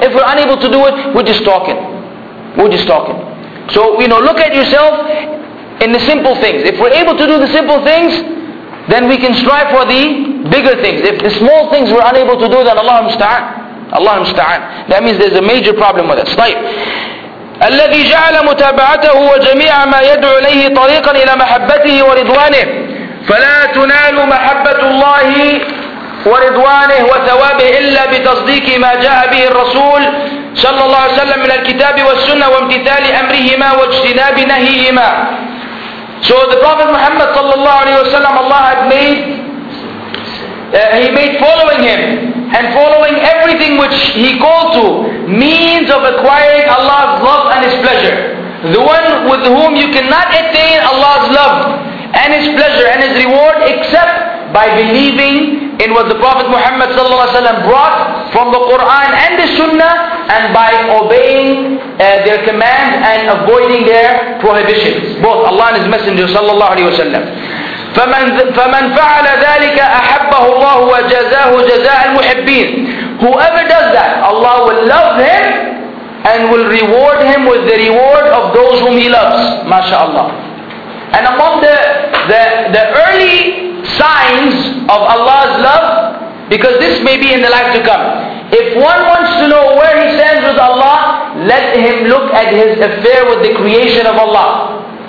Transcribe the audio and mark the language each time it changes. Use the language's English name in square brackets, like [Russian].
[English] If we're unable to do it, we're just talking. We're just talking. So, you know, look at yourself in the simple things. If we're able to do the simple things, then we can strive for the bigger things. If the small things we're unable to do, then Allah musta'an. Allah musta'an. That means there's a major problem with us. [Arabic] طيب. الذي جعل متابعته وجميع ما يدعو إليه طريقا إلى محبته ورضوانه فلا تنال محبة الله ورضوانه وثوابه إلا بتصديق ما جاء به الرسول صلى الله عليه وسلم من الكتاب والسنة وامتثال أمرهما واجتناب نهيهما. [English] So the Prophet Muhammad صلى الله عليه وسلم, Allah had made, he made following him and following everything which he called to means of acquiring Allah's love and His pleasure. The one with whom you cannot attain Allah's love and His pleasure and His reward except by believing in what the Prophet Muhammad sallallahu alaihi wasallam brought from the Quran and the Sunnah, and by obeying their commands and avoiding their prohibitions, both Allah and His Messenger sallallahu alaihi wasallam. [Arabic] فمن فعل ذلك أحبه الله وجزاه جزاء المحبين. [English] Whoever does that, Allah will love him and will reward him with the reward of those whom he loves. MashaAllah. And among the early signs of Allah's love, because this may be in the life to come, if one wants to know where he stands with Allah, let him look at his affair with the creation of Allah.